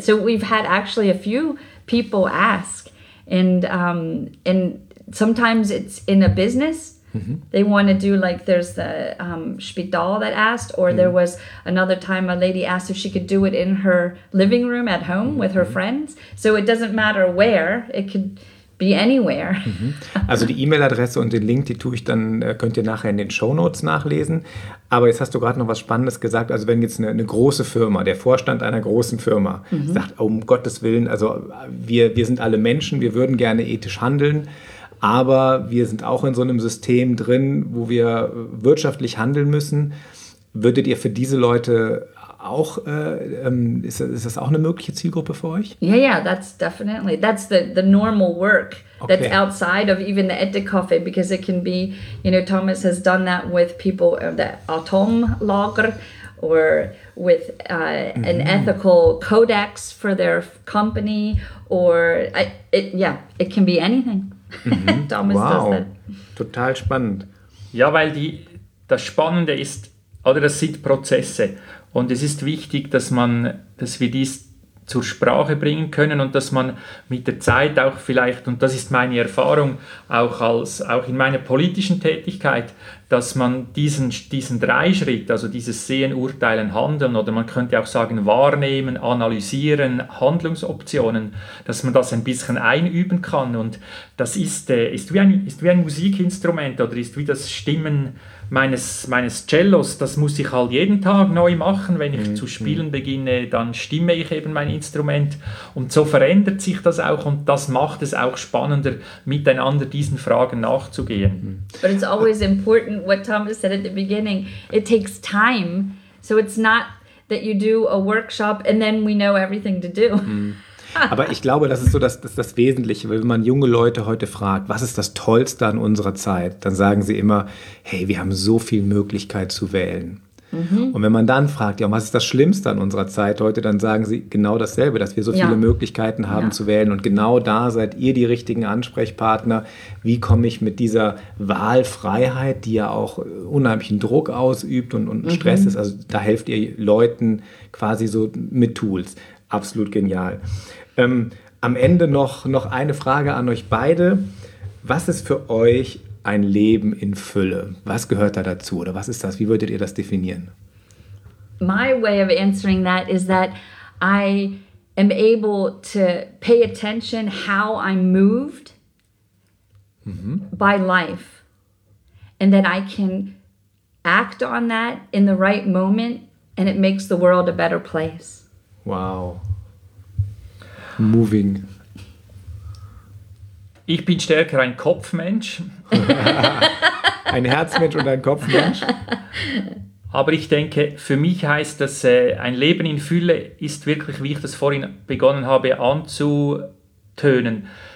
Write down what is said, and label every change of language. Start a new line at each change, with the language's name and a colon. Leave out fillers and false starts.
English: So we've had actually a few people ask, and sometimes it's in a business. They want to do, like, there's the Spital that asked, or there was another time a lady asked if she could do it in her living room at home with her friends. So it doesn't matter where, it could be anywhere.
German: Also die E-Mail-Adresse und den Link, die tue ich dann, könnt ihr nachher in den Shownotes nachlesen. Aber jetzt hast du gerade noch was Spannendes gesagt. Also wenn jetzt eine große Firma, der Vorstand einer großen Firma sagt, um Gottes Willen, also wir sind alle Menschen, wir würden gerne ethisch handeln, aber wir sind auch in so einem System drin, wo wir wirtschaftlich handeln müssen. Würdet ihr für diese Leute auch, ist das auch eine mögliche Zielgruppe für euch? Yeah, yeah, that's definitely, that's the normal work that's outside of even the Ethic Coffee, because it can be, you know, Thomas has done that with people, the Atomlager, or with an ethical codex for their company, or, it can be anything. Wow, total spannend. Ja, weil das Spannende ist, oder das sind Prozesse. Und es ist wichtig, dass wir dies zur Sprache bringen können und dass man mit der Zeit auch vielleicht, und das ist meine Erfahrung auch in meiner politischen Tätigkeit, dass man diesen Dreischritt, also dieses Sehen, Urteilen, Handeln, oder man könnte auch sagen Wahrnehmen, Analysieren, Handlungsoptionen, dass man das ein bisschen einüben kann. Und das ist wie ein Musikinstrument, oder ist wie das Stimmen meines Cellos. Das muss ich halt jeden Tag neu machen. Wenn ich zu spielen beginne, dann stimme ich eben mein Instrument. Und so verändert sich das auch, und das macht es auch spannender, miteinander diesen Fragen nachzugehen.
English: But it's always important what Thomas said at the beginning. It takes time. So it's not that you do a workshop and then we know everything to do.
German: Aber ich glaube, das ist so das Wesentliche, weil wenn man junge Leute heute fragt, was ist das Tollste an unserer Zeit, dann sagen sie immer, hey, wir haben so viel Möglichkeit zu wählen. Mhm. Und wenn man dann fragt, ja, was ist das Schlimmste an unserer Zeit heute, dann sagen sie genau dasselbe, dass wir so viele Möglichkeiten haben zu wählen. Und genau da seid ihr die richtigen Ansprechpartner. Wie komme ich mit dieser Wahlfreiheit, die ja auch unheimlichen Druck ausübt und Stress ist, also da helft ihr Leuten quasi so mit Tools. Absolut genial. Am Ende noch eine Frage an euch beide. Was ist für euch ein Leben in Fülle? Was gehört da dazu? Oder was ist das? Wie würdet ihr das definieren?
English: My way of answering that is that I am able to pay attention how I'm moved by life. And that I can act on that in the right moment and it makes the world a better place. Wow. Moving.
German: Ich bin stärker ein Kopfmensch. Ein Herzmensch und ein Kopfmensch. Aber ich denke, für mich heißt das, ein Leben in Fülle ist wirklich, wie ich das vorhin begonnen habe, anzutönen.